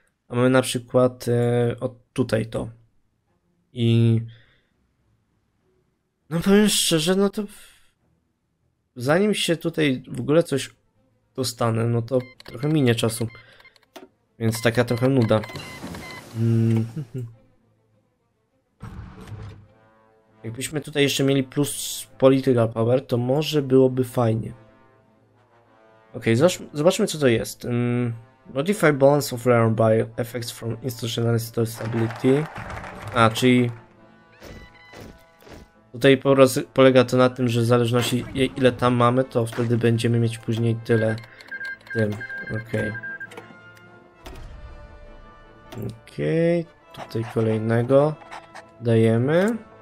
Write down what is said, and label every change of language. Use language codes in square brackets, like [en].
[pl] A mamy na przykład od tutaj to. I no powiem szczerze, no to zanim się tutaj w ogóle coś dostanę, no to trochę minie czasu. Więc taka trochę nuda. Jakbyśmy tutaj jeszcze mieli plus political power, to może byłoby fajnie. Okej, zobaczmy co to jest. [en] Modify balance of realm by effects from institutional stability. [pl] A, czyli tutaj polega to na tym, że w zależności ile tam mamy, to wtedy będziemy mieć później tyle tym. Okej, tutaj kolejnego dajemy.